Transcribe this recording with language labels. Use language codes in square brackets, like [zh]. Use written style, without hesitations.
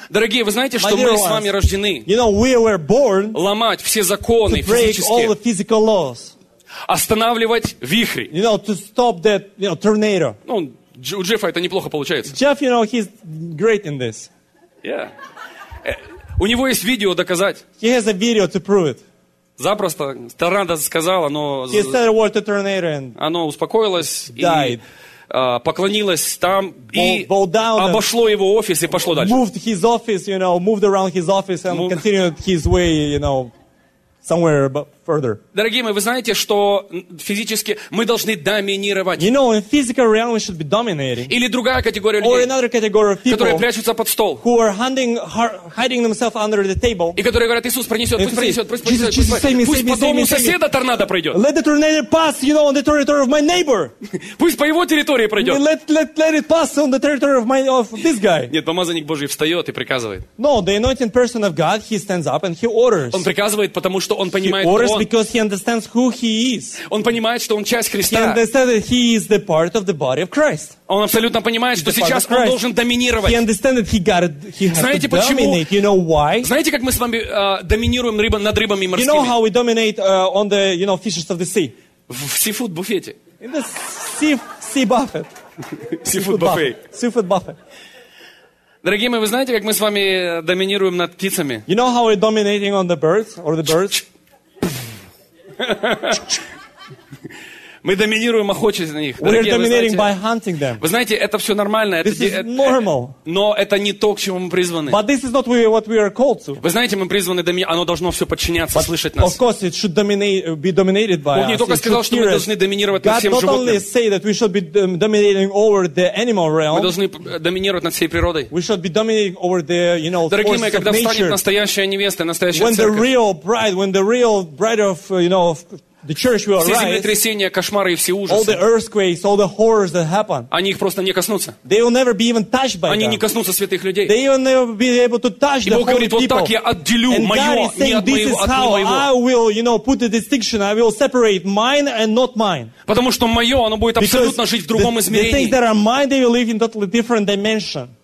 [ru] Дорогие, вы знаете, что мы [en] ones, [ru] с вами рождены? [en] You know, we were born. [ru] Ломать все законы физические. [en] To break all the physical laws. [ru] Останавливать вихри. [en] You know, to stop that, you know, tornado. [ru] Ну, у Джеффа это неплохо получается. [en] Jeff, you know, he's great in this. Yeah. [ru] У него есть видео доказать. [en] He has a video to prove it. [ru] Запросто торнадо сказала, но [en] he said a word to tornado and [ru] оно успокоилось [en] died. [ru] И поклонилось там [en] bow, [ru] и обошло его офис и пошло дальше. [en] Moved his office, you know, moved around his office and continued his way, you know. Somewhere further. [ru] Дорогие мои, вы знаете, что физически мы должны доминировать. [en] You know, in physical realm we should be dominating. [ru] Или другая категория людей. [en] Or another category of people. [ru] Которые прячутся под стол. [en] Who are hiding themselves under the table. [ru] И которые говорят, Иисус пронесет, пусть пронесет, пусть пронесет, пусть пронесет. [en] Jesus, [ru] пусть по дому соседа торнадо пройдет. [en] Let the tornado pass, you know, on the territory of my neighbor. [ru] Пусть по его территории пройдет. [en] Let it pass on the territory of my of this guy. [ru] Нет, помазанник Божий встает и приказывает. [en] No, the anointed person of God, he stands up and he orders. [ru] Он приказывает, потому что он понимает, [en] he orders [ru] он. [en] Because he understands who he is. [ru] Он понимает, что он часть Христа. [en] He understands that he is the part of the body of Christ. [ru] Он абсолютно понимает, что сейчас он должен доминировать. [en] He understands that he has [ru] знаете, [en] to [ru] почему? [en] Dominate. You know why? [ru] Знаете, как мы с вами доминируем над рыбами морскими? [en] You know how we dominate on the, you know, fishes of the sea. [ru] В seafood буфете. [en] In the sea buffet. Seafood buffet. Seafood buffet. [ru] Дорогие мои, вы знаете, как мы с вами доминируем над птицами? [en] You know how we're dominating on the birds? Or the birds? [ru] Мы доминируем, охотясь на них. [en] We're dominating by hunting them. [ru] Вы знаете, это все нормально. [en] This is normal. [ru] Но это не то, к чему мы призваны. [en] But this is not what we are called to. [ru] Вы знаете, мы призваны доминировать. Оно должно все подчиняться, слышать нас. [en] Of course, it should be dominated by us. [ru] Бог не только сказал, что мы должны доминировать над всем животным. [en] God not only say that we should be dominating over the animal realm. [ru] Мы должны доминировать над всей природой. [en] We should be dominating over the, you know, forces of nature. [ru] Дорогие мои, когда встанет настоящая невеста, настоящая церковь. [en] When the real bride, of, you know, of the church will arise. [ru] Все землетрясения, кошмары и все ужасы. [en] All the earthquakes, all the horrors that happen. [ru] Они их просто не коснутся. [en] They will never be even touched by them. [ru] Они не коснутся святых людей. [en] They will never be able to touch the holy people. [ru] И Бог говорит, вот так я отделю мое, не от моего, [en] this is how I will, you know, put the distinction. I will separate mine and not mine. [ru] Потому что мое, оно будет абсолютно жить в другом измерении. [en] The things that are mine, they will live in totally different dimension.